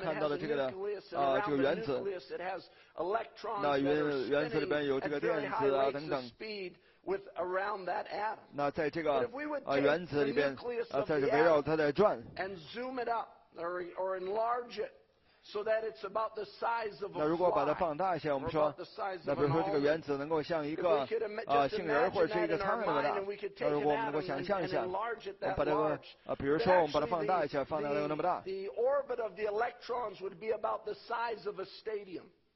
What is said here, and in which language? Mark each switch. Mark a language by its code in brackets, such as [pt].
[en] It has a nucleus, and around the nucleus it has electrons that are spinning at very high rates of speed. With around that atom. [zh] 那在这个原子里边在这围绕它在转。 [en] And zoom it up or enlarge it so that it's about the size of a fly. [zh] 那如果把它放大一些，我们说，那比如说这个原子能够像一个杏仁或者是一个苍蝇那么大，那如果我们能够想象一下，我们把这个比如说我们把它放大一些，放大到那么大。 [en] The orbit of the electrons would be about the size of a stadium.